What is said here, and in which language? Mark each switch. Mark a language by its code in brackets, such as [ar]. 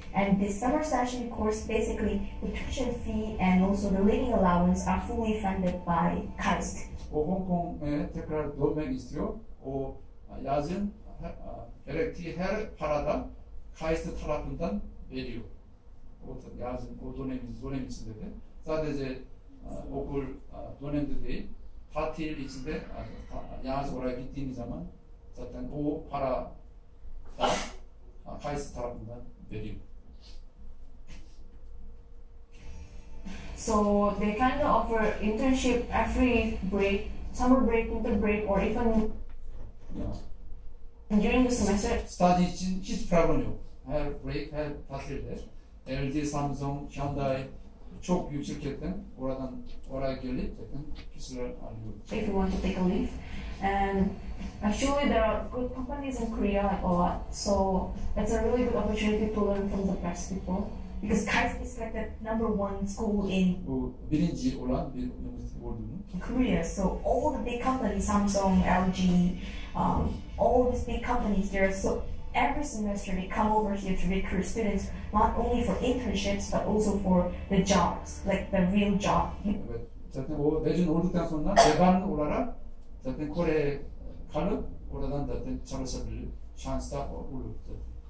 [en] And this summer session course, basically, the tuition fee and also the living allowance are fully funded by KAIST. [tr] O Hong Kong'a tekrar dönmek istiyor. O yazın gerektiği her parada KAIST tarafından veriyor. O yazın o dönem içinde de sadece okul dönemde değil, tatil içinde yaz oraya gittiğiniz zaman zaten o para da KAIST tarafından veriyor. [en] So they kind of offer internship every break, summer break, winter break, or even during the semester. [tr] Study için hiç problem yok. Her break, her tatilde. LG, Samsung, Hyundai, çok büyük şirketten oradan oraya gelip zaten kişiler alıyor. [en] If you want to take a leave. And actually there are good companies in Korea like a lot. So it's a really good opportunity to learn from the best people. Because KAIST is like the number one school in [tr] birinci olan bir üniversite olduğunu. [en] Korea, so all the big companies, Samsung, LG, all these big companies there. So every semester they come over here to recruit students, not only for internships but also for the jobs, like the real job. [tr] Evet, zaten o mezun olduktan sonra devamlı olarak zaten Kore'ye kalıp oradan zaten çalışabilir şans da olurdu.